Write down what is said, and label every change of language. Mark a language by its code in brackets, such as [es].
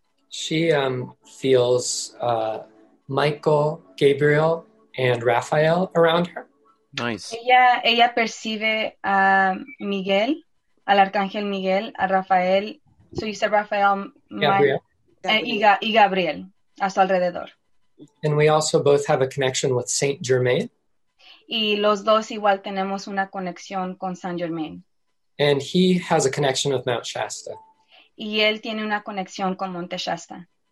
[en] She feels Michael, Gabriel, and Raphael around her. Nice. [es] Ella percibe a Miguel, al Arcángel Miguel, a Rafael. [en] So you said Raphael, Gabriel. [es] Y Gabriel a su alrededor. [en] And we also both have a connection with Saint Germain. [es] Y los dos igual tenemos una conexión con Saint Germain. [en] And he has a connection with Mount Shasta. [es] Y él tiene una conexión con Monte Shasta.